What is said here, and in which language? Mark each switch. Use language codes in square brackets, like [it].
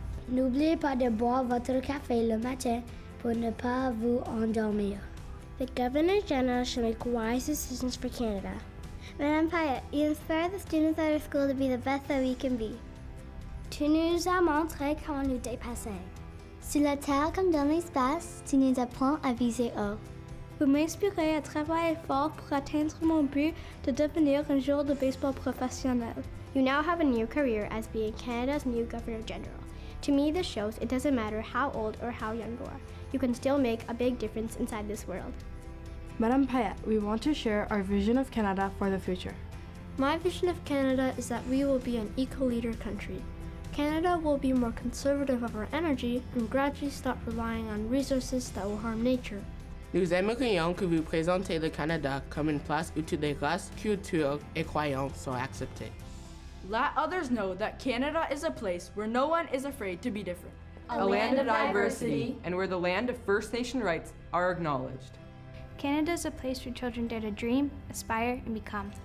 [fr] N'oubliez pas de boire votre café le matin pour ne pas vous endormir. [en] The Governor General should make wise decisions for Canada. Madame Payette, you inspire the students at our school to be the best that we can be. [fr] Tu nous as montré comment nous dépasser. Sur la terre comme dans l'espace, tu nous apprends à viser haut. Vous m'inspirez à travailler fort pour atteindre mon but de devenir un joueur de baseball professionnel. [en] You now have a new career as being Canada's new Governor General. To me, this shows it doesn't matter how old or how young you are. You can still make a big difference inside this world. Madame Payette, we want to share our vision of Canada for the future. My vision of Canada is that we will be an eco-leader country. Canada will be more conservative of our energy and gradually start relying on resources that will harm nature. [fr] Nous aimerions que vous présentiez le Canada comme une place où toutes les races, cultures et croyances sont acceptées. [en] Let others know that Canada is a place where no one is afraid to be different. A land of diversity. And where the land of First Nation rights are acknowledged. Canada is a place where children dare to dream, aspire, and become.